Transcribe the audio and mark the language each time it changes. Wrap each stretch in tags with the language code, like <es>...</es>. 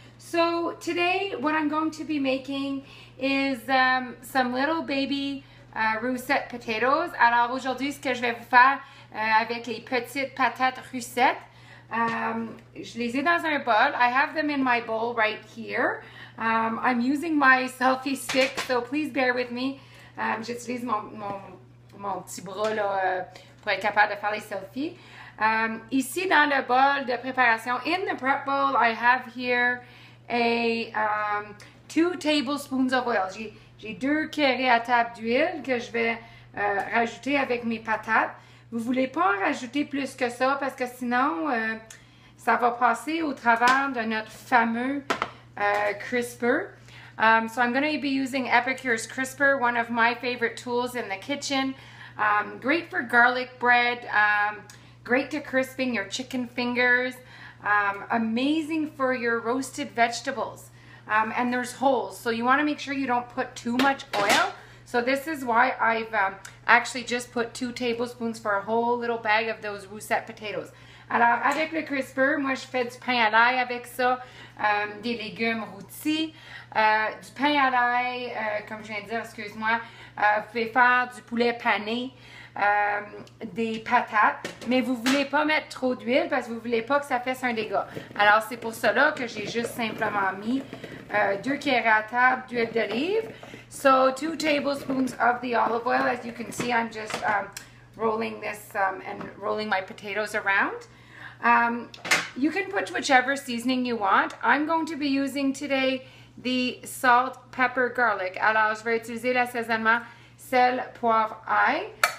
<en>So today what I'm going to be making is some little baby russet potatoes.</en> <fr>Alors aujourd'hui ce que je vais vous faire avec les petites patates russet, je les ai dans un bol.</fr> <en>I have them in my bowl right here. I'm using my selfie stick, so please bear with me.</en> <fr>J'utilise mon petit bras là, pour être capable de faire les selfies. Ici dans le bol de préparation,</fr> <en>in the prep bowl, I have here a 2 tablespoons of oil.</en> <fr>J'ai 2 cuillères à table d'huile que je vais rajouter avec mes patates. Vous voulez pas en rajouter plus que ça parce que sinon ça va passer au travers de notre fameux crisper.</fr> <en>So I'm going to be using Epicure's crisper, one of my favorite tools in the kitchen. Great for garlic bread. Great to crisping your chicken fingers, amazing for your roasted vegetables, and there's holes, so you want to make sure you don't put too much oil. So this is why I've actually just put 2 tablespoons for a whole little bag of those russet potatoes.</en> <fr>Alors avec le crisper, moi je fais du pain à l'ail avec ça, des légumes rôtis, du pain à l'ail, comme je viens de dire, excuse-moi, fait faire du poulet pané. Des patates, mais vous voulez pas mettre trop d'huile parce que vous voulez pas que ça fasse un dégât. Alors c'est pour cela que j'ai juste simplement mis 2 cuillères à table d'huile d'olive.</fr> <en>So 2 tablespoons of the olive oil. As you can see, I'm just rolling this and rolling my potatoes around. You can put whichever seasoning you want. I'm going to be using today the salt, pepper, garlic.</en> <fr>Alors je vais utiliser l'assaisonnement sel, poivre, ail.</fr>